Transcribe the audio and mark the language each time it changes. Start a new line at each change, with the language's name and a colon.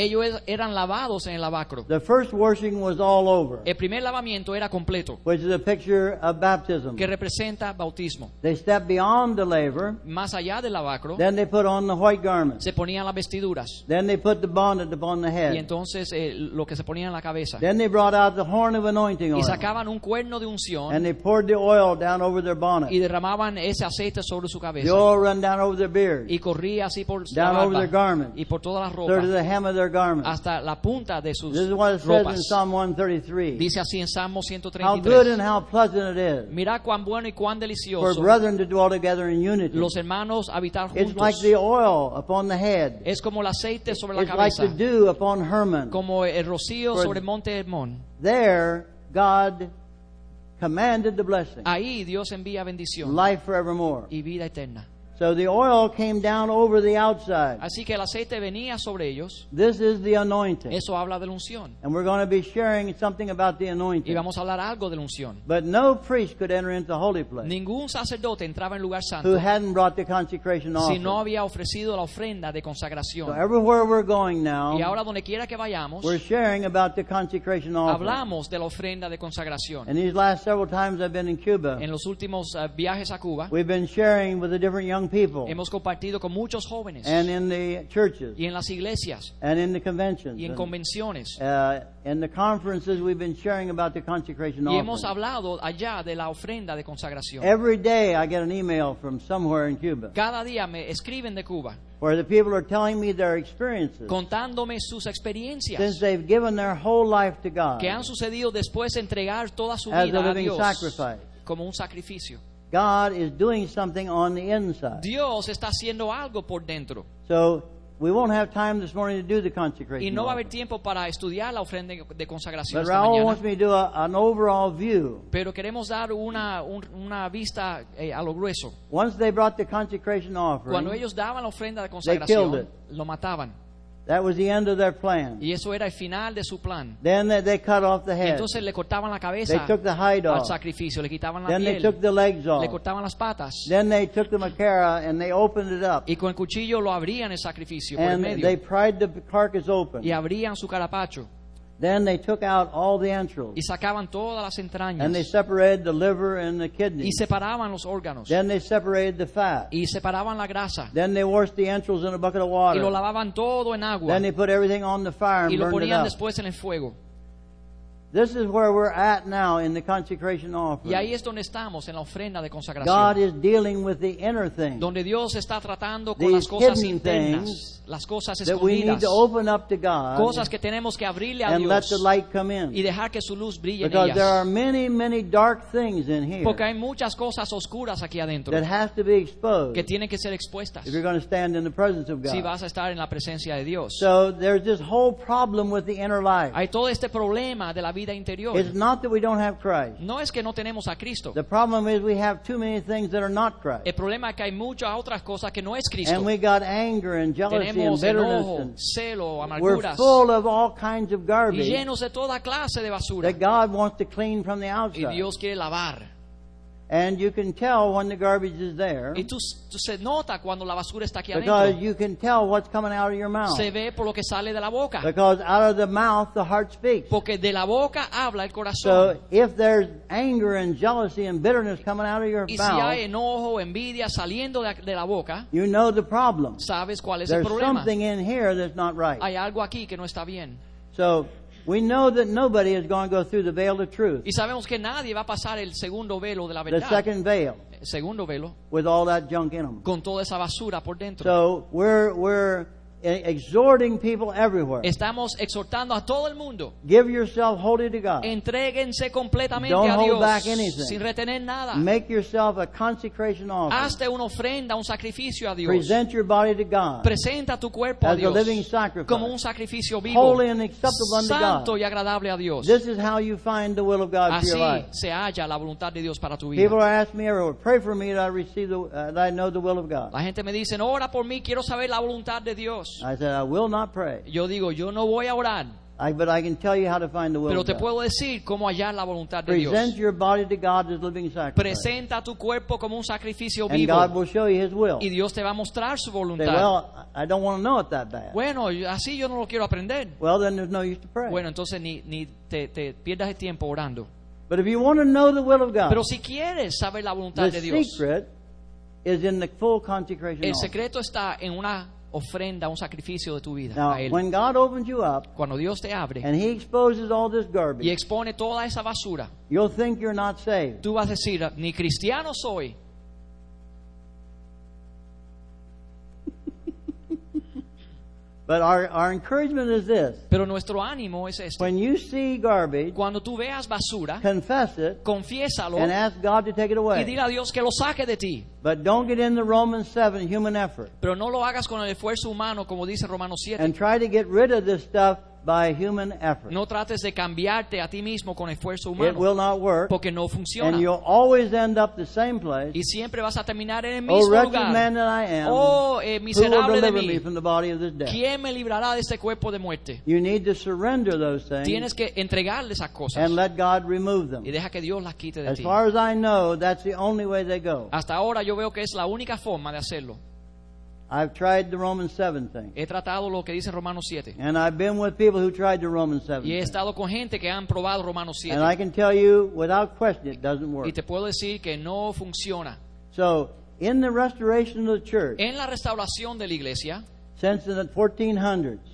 Spanish: Ellos eran lavados en el lavacro.
English: The first washing was all over.
Spanish: El primer lavamiento era completo.
English: Which is a picture of baptism.
Spanish: Que representa bautismo.
English: They stepped beyond the laver.
Spanish: Más allá del lavacro.
English: Then they put on the white garments.
Spanish: Se ponían las vestiduras.
English: Then they put the bonnet upon the head.
Spanish: Y entonces lo que se ponía en la cabeza.
English: Then they brought out the horn of anointing oil.
Spanish: Y sacaban un cuerno de un
English: And they poured the oil down over their bonnet.
Spanish: Y derramaban ese aceite sobre su cabeza.
English: The oil ran down over their beard.
Spanish: Y corría así por
English: down
Spanish: la barba,
English: over their garments.
Spanish: Y por toda la ropa,
English: through the hem of their garments.
Spanish: Hasta la punta de sus
English: this is what it
Spanish: ropas.
English: Says in Psalm 133.
Spanish: Dice así en Salmo 133.
English: How good and how pleasant it is.
Spanish: Mira cuán bueno y cuán delicioso.
English: For brethren to dwell together in unity.
Spanish: Los hermanos habitar juntos.
English: It's like the oil upon the head.
Spanish: Es como el aceite sobre
English: it's
Spanish: la cabeza.
English: It's like the dew upon Hermon.
Spanish: Como el rocío
English: For
Spanish: sobre Monte Hermon.
English: There, God commanded the blessing.
Spanish: Ahí Dios envía bendición.
English: Life forevermore.
Spanish: Y vida eterna.
English: So the oil came down over the outside.
Spanish: Así que el aceite venía sobre ellos.
English: This is the anointing.
Spanish: Eso habla de la unción.
English: And we're going to be sharing something about the anointing.
Spanish: Y vamos a hablar algo de la unción.
English: But no priest could enter into the holy place.
Spanish: Ningún sacerdote entraba en lugar santo.
English: Who hadn't brought the consecration offering.
Spanish: Si no había ofrecido la ofrenda de consagración.
English: So everywhere we're going now.
Spanish: Y ahora donde quiera que vayamos.
English: We're sharing about the consecration offering.
Spanish: Hablamos de la ofrenda de consagración.
English: In these last several times I've been in Cuba.
Spanish: En los últimos viajes a Cuba.
English: We've been sharing with the different young people.
Spanish: Hemos compartido con muchos jóvenes.
English: And in the churches.
Spanish: Y en las iglesias.
English: And in the conventions.
Spanish: Y en convenciones.
English: In the conferences we've been sharing about the consecration offering.
Spanish: Y hemos hablado allá de la ofrenda de consagración.
English: Every day I get an email from somewhere in Cuba.
Spanish: Cada día me escriben de Cuba.
English: Where the people are telling me their experiences.
Spanish: Contándome sus experiencias.
English: Since they've given their whole life to God.
Spanish: Que han sucedido después de entregar toda su vida a Dios.
English: As a living sacrifice.
Spanish: Como un sacrificio.
English: God is doing something on the inside.
Spanish: Dios está haciendo algo por dentro.
English: So we won't have time this morning to do the consecration.
Spanish: Y no va a haber tiempo para estudiar la ofrenda de consagración.
English: But Raúl wants me to do an overall view.
Spanish: Pero queremos dar una vista a lo grueso.
English: Once they brought the consecration offering,
Spanish: cuando ellos daban la ofrenda de consagración, lo mataban.
English: That was the end of their plan.
Spanish: Y eso era el final de su plan.
English: Then they cut off the head.
Spanish: Entonces le cortaban la cabeza.
English: They took the hide off.
Spanish: Al sacrificio le quitaban la piel.
English: Then they took the legs off.
Spanish: Le cortaban las patas.
English: Then they took the makara and they opened it up.
Spanish: Y con el cuchillo lo abrían el sacrificio
English: and
Spanish: por el medio.
English: And they pried the carcass open.
Spanish: Y abrían su carapacho.
English: Then they took out all the entrails.
Spanish: Y sacaban todas las entrañas.
English: And they separated the liver and the kidneys.
Spanish: Y separaban los órganos.
English: Then they separated the fat.
Spanish: Y separaban la grasa.
English: Then they washed the entrails in a bucket of water.
Spanish: Y lo lavaban todo en agua.
English: Then they put everything on the fire and
Spanish: y lo
English: burned
Spanish: ponían
English: it up.
Spanish: Después en el fuego.
English: This is where we're at now in the consecration offering.
Spanish: Y ahí es donde estamos, en la ofrenda de consagración.
English: God is dealing with the inner things.
Spanish: Donde Dios está tratando con
English: these
Spanish: las cosas
English: hidden
Spanish: internas, las cosas escondidas,
English: that we need to open up to God,
Spanish: cosas que tenemos que abrirle a
English: and
Spanish: Dios,
English: let the light come in.
Spanish: Y dejar que su luz brille
English: because
Spanish: en ellas.
English: There are many, many dark things in here.
Spanish: Porque hay muchas cosas oscuras aquí adentro
English: that have to be exposed
Spanish: que tienen que ser expuestas.
English: If you're going to stand in the presence of God.
Spanish: Si vas a estar en la presencia de Dios.
English: So there's this whole problem with the inner life.
Spanish: Hay todo este problema de la vida.
English: It's not that we don't have Christ.
Spanish: No es que no tenemos a Cristo.
English: The problem is we have too many things that are not Christ.
Spanish: El problema es que hay muchas otras cosas que no es Cristo.
English: And we got anger and jealousy
Spanish: tenemos
English: and bitterness
Spanish: enojo,
English: and
Spanish: celo, amarguras.
English: We're full of all kinds of garbage.
Spanish: Y llenos de toda clase de basura.
English: That God wants to clean from the outside.
Spanish: Y Dios quiere lavar.
English: And you can tell when the garbage is there.
Spanish: Y tú se nota cuando la basura está aquí adentro.
English: Because you can tell what's coming out of your mouth.
Spanish: Se ve por lo que sale de la boca.
English: Because out of the mouth the heart speaks.
Spanish: Porque de la boca habla el corazón.
English: So if there's anger and jealousy and bitterness coming out of your
Spanish: y
English: mouth.
Spanish: Y si hay enojo, envidia saliendo de la boca.
English: You know the problem.
Spanish: Sabes cuál es
English: there's
Spanish: el problema.
English: There's something in here that's not right.
Spanish: Hay algo aquí que no está bien.
English: So we know that nobody is going to go through the veil of truth.
Spanish: Y sabemos que nadie va a pasar el segundo velo de la verdad.
English: The second veil.
Spanish: El segundo velo.
English: With all that junk in them.
Spanish: Con toda esa basura por dentro.
English: So we're exhorting people everywhere.
Spanish: Estamos exhortando a todo el mundo.
English: Give yourself wholly to God.
Spanish: Entréguense completamente
English: Don't
Spanish: a
English: hold
Spanish: Dios
English: back anything.
Spanish: Sin retener nada.
English: Make yourself a consecration offering.
Spanish: Hazte una ofrenda, un sacrificio a Dios.
English: Present your body to God.
Spanish: Presenta tu cuerpo
English: as
Spanish: a Dios
English: a living sacrifice.
Spanish: Como un sacrificio vivo.
English: Holy and acceptable
Spanish: Santo
English: unto God.
Spanish: Y agradable a Dios.
English: This is how you find the will of God
Spanish: Así
English: for your life.
Spanish: Así se halla la voluntad de Dios para tu vida.
English: People are asking me everywhere, pray for me that I receive the, that I know the will of God.
Spanish: La gente me dice, ora por mí, quiero saber la voluntad de Dios.
English: I said, I will not pray.
Spanish: Yo digo, yo no voy a orar.
English: But I can tell you how to find the will of God.
Spanish: Pero te puedo decir cómo hallar la voluntad de
English: Present Present your body to God as a living sacrifice.
Spanish: Presenta tu cuerpo como un sacrificio vivo.
English: And God will show you His will.
Spanish: Y Dios te va a mostrar su voluntad.
English: Say, well, I don't want to know it that bad.
Spanish: Bueno, así yo no lo quiero aprender.
English: Well, then there's no use to pray.
Spanish: Bueno, entonces ni te pierdas el tiempo orando.
English: But if you want to know the will of God,
Spanish: pero si quieres saber la voluntad de Dios,
English: the secret is in the full consecration.
Spanish: El secreto está en una ofrenda, un sacrificio de tu vida
English: Now,
Spanish: a él.
English: When God opens you up,
Spanish: cuando Dios te abre,
English: and He exposes all this garbage,
Spanish: y expone toda esa basura,
English: you'll think you're not saved.
Spanish: Tú vas a decir, ni cristiano soy.
English: But our encouragement is this.
Spanish: Pero nuestro ánimo es este.
English: When you see garbage,
Spanish: cuando tú veas basura,
English: confess it,
Spanish: confiésalo,
English: and ask God to take it away.
Spanish: Y dile a Dios que lo saque de ti.
English: But don't get in the Romans 7 human effort.
Spanish: Pero no lo hagas con el esfuerzo humano, como dice Romanos 7.
English: And try to get rid of this stuff by human effort.
Spanish: No trates de cambiarte a ti mismo con esfuerzo humano.
English: It will not work.
Spanish: Porque no funciona.
English: And you'll always end up the same place.
Spanish: Y siempre vas a terminar en el mismo
English: oh, wretched
Spanish: lugar.
English: Man that I am,
Spanish: oh, miserable
English: who will
Spanish: de mí.
English: Me from the body of this death?
Spanish: ¿Quién me librará de este cuerpo de muerte?
English: You need to surrender those things.
Spanish: Tienes que entregarle esas cosas.
English: And let God remove them.
Spanish: Y deja que Dios las quite de
English: as
Spanish: ti.
English: As far as I know, that's the only way they go.
Spanish: Hasta ahora yo veo que es la única forma de hacerlo.
English: I've tried the Romans 7 thing.
Spanish: He tratado lo que dice Romanos 7.
English: And I've been with people who tried the Romans 7.
Spanish: Y he estado con gente que han probado Romanos 7.
English: And I can tell you without question it doesn't work.
Spanish: Y te puedo decir que no funciona.
English: So, in the restoration of the church.
Spanish: En la restauración de la iglesia.
English: Since the 1400s.